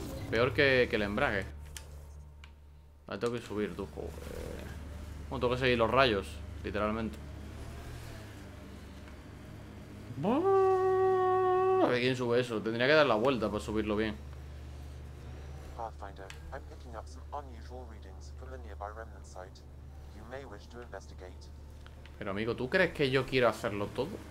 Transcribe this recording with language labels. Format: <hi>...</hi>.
<es>Peor que el embrague. La tengo que subir, tú, joder. Bueno, tengo que seguir los rayos, literalmente. A ver quién sube eso. Tendría que dar la vuelta para subirlo bien.</es> <en>Pathfinder, I'm picking up some unusual readings from the nearby remnant site. You may wish to investigate.</en> <es>Pero amigo, ¿tú crees que yo quiero hacerlo todo?</es>